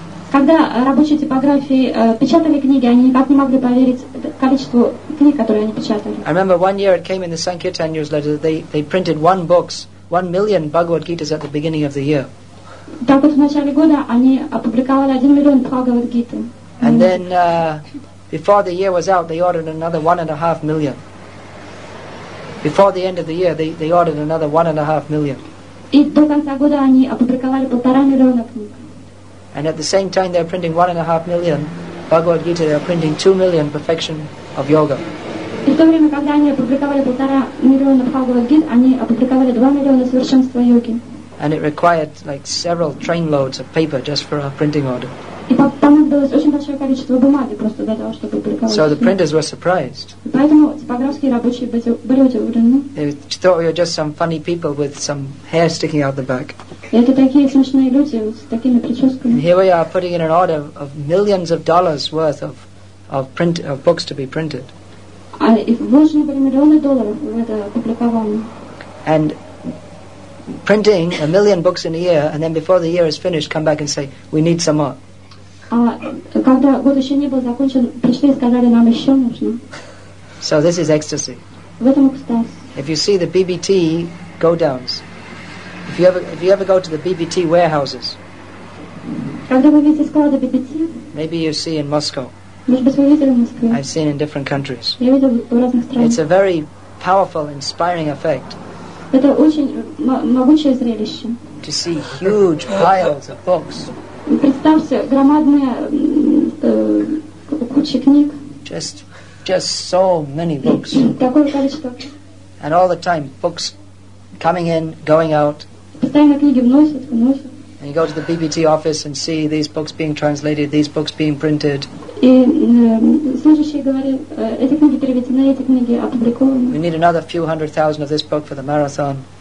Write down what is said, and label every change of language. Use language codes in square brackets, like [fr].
[ru] Когда рабочие типографии печатали книги, они никак не могли поверить количеству книг, которые они печатали. [en] I remember one year it came in the Sankirtan newsletter that they printed one book, 1 million Bhagavad Gitas at the beginning of the year. [ru] Так вот в начале года они опубликовали 1 миллион Бхагавад Гиты. [en] And then before the year was out, they ordered another 1.5 million. Before the end of the year, they ordered another 1.5 million. [ru] И до конца года они опубликовали 1.5 миллиона книг. [en] And at the same time they're printing 1.5 million Bhagavad Gita, they're printing 2 million Perfection of Yoga. [ru] И в то время, когда они опубликовали 1.5 миллиона Bhagavad Gita, они опубликовали 2 миллиона Совершенства Йоги. [en] And it required like several train loads of paper just for our printing order. [ru] И понадобилось очень большое количество бумаги просто для того, чтобы опубликовать. [en] So the printers were surprised. [ru] Поэтому типографские рабочие были удивлены. [en] They thought we were just some funny people with some hair sticking out the back. [ru] Это такие смешные люди с такими прическами. [en] And here we are putting in an order of millions of dollars worth of books to be printed. [ru] И вложены были миллионы долларов в это опубликование. [en] And printing 1 million books in a year, and then before the year is finished, come back and say, we need some more. [ru] Когда год еще не был закончен, пришли и сказали, нам еще нужно. [en] So this is ecstasy. [ru] В этом экстаз. [en] If you see the BBT go downs, if you ever go to the BBT warehouses, [ru] когда вы видите склады BBT, [en] maybe you see in Moscow. [ru] Может быть, вы видели в Москве. [en] I've seen in different countries. [ru] Я видел в разных странах. [en] It's a very powerful, inspiring effect. [ru] Это очень могучее зрелище. [en] To see huge piles of books. [ru] Представьте громадные кучи книг. [en] Just so many books. [ru] Такое количество. [en] And all the time books coming in, going out. [ru] Постоянно книги вносят. [en] And you go to the BBT office and see these books being translated, these books being printed. [ru] И служащие говорят, эти книги переведены, эти книги опубликованы. [en] We need another few hundred thousand of this book for the marathon.